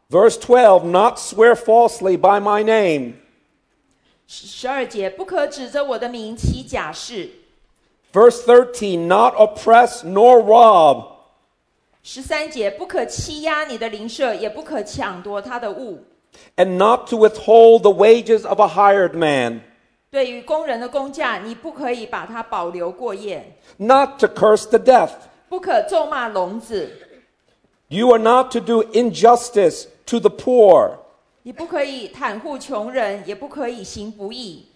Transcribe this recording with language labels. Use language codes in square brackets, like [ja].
[en] Verse 12, not swear falsely by my name. [zh] 十二节不可指着我的名起假誓。 [en] Verse 13, not oppress nor rob. [zh] 十三节不可欺压你的邻舍，也不可抢夺他的物。 [en] And not to withhold the wages of a hired man. [zh] 对于工人的工价，你不可以把它保留过夜。 [en] Not to curse the deaf. [zh] 不可咒骂聋子。 [en] You are not to do injustice to the poor. [zh] 你不可以袒护穷人，也不可以行不义。